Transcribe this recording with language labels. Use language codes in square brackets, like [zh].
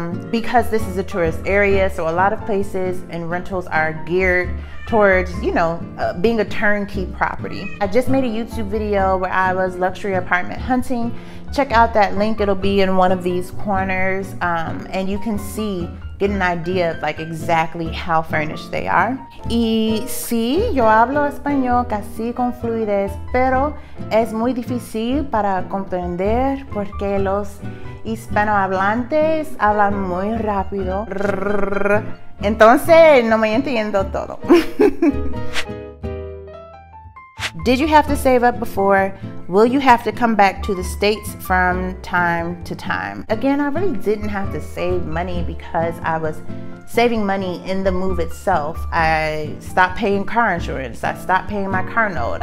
[en] Because this is a tourist area, so a lot of places and rentals are geared towards, you know, being a turnkey property. I just made a YouTube video where I was luxury apartment hunting. Check out that link, it'll be in one of these corners, and you can see, get an idea of like exactly how furnished they are. [es] Y sí, yo hablo español casi con fluidez, pero es muy difícil para comprender porque los hispanohablantes hablan muy rápido. Entonces, no me entiendo todo. [en] Did you have to save up before? Will you have to come back to the States from time to time? Again, I really didn't have to save money because I was saving money in the move itself. I stopped paying car insurance. I stopped paying my car note.